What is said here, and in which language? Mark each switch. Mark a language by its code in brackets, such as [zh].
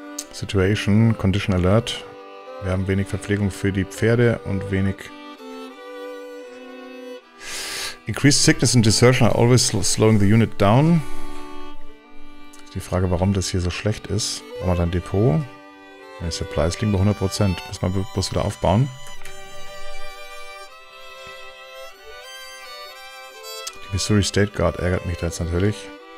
[de] Situation, Condition Alert. Wir haben wenig Verpflegung für die Pferde und wenig. [en] Increased sickness and desertion are always slowing the unit down. [de] Die Frage, warum das hier so schlecht ist. Brauchen wir dann Depot? Die Supplies liegen bei 100%. Müssen wir bloß wieder aufbauen. Die Missouri State Guard ärgert mich da jetzt natürlich.